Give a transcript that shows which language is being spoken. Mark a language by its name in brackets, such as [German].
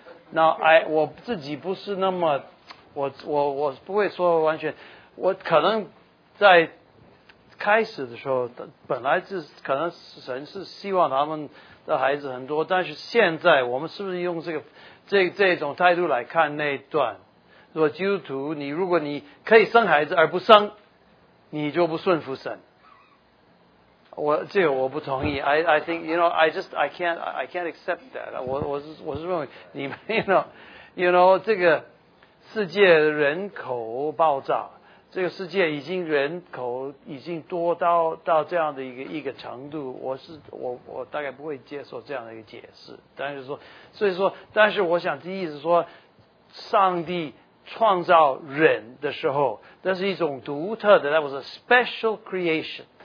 [Chinese] 那我自己不是那么，我不会说完全，我可能在开始的时候，本来是可能神是希望他们的孩子很多，但是现在我们是不是用这种态度来看那一段？如果基督徒，你如果你可以生孩子而不生，你就不顺服神。我不同意。 [English] I think you know I just I can't accept that. [Chinese] 我是认为你们 you know 这个世界人口爆炸，这个世界已经人口已经多到这样的一个程度，我大概不会接受这样的一个解释。但是说，所以说，但是我想，第一是说，上帝创造人的时候，那是一种独特的 ， [English] that was a special creation。